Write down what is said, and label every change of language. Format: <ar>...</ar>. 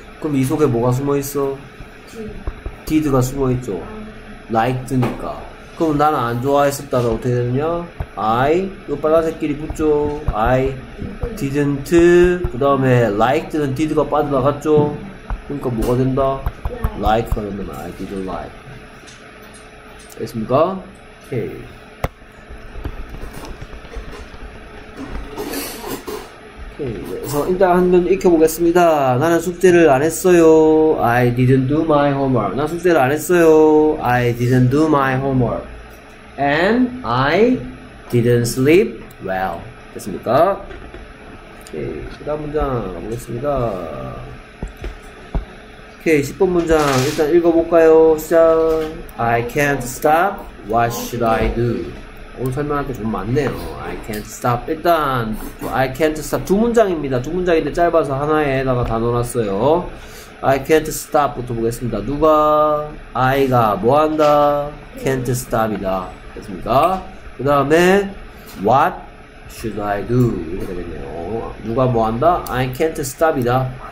<ko>그럼 이 속에 뭐가 숨어있어? did가 숨어있죠. liked니까. 그럼 나는 안 좋아했었다는 어떻게 되느냐? I, 요 빨간색끼리 붙죠? I didn't, 그 다음에 liked는 did가 빠져나갔죠? 그러니까 뭐가 된다? like가 된다면</ko> <en>I didn't like.</en> <ko>됐습니까? 오케이. 오케이. 그래서 일단 한번 익혀보겠습니다. 나는 숙제를 안 했어요.</ko> <en>I didn't do my homework.</en> <ko>나 숙제를 안 했어요.</ko> <en>I didn't do my homework. And I didn't sleep well.</en> <ko>됐습니까? 오케이. 그 다음 문장 가보겠습니다. 오케이. 10번 문장 일단 읽어볼까요? 시작.</ko> <en>I can't stop. What should I do?</en> <ko>오늘 설명할 게 좀 많네요.</ko> <en>I can't stop. 일단, I can't stop.</en> <ko>두 문장입니다. 두 문장인데 짧아서 하나에다가 다 넣어놨어요.</ko> <en>I can't stop</en> <ko>부터 보겠습니다. 누가? I가 뭐 한다?</ko> <en>Can't stop이다.</en> <ko>됐습니까?</ko> <en>그 다음에 What should I do?</en> <ko>이렇게 되겠네요. 누가 뭐 한다?</ko> <en>I can't stop이다.</en>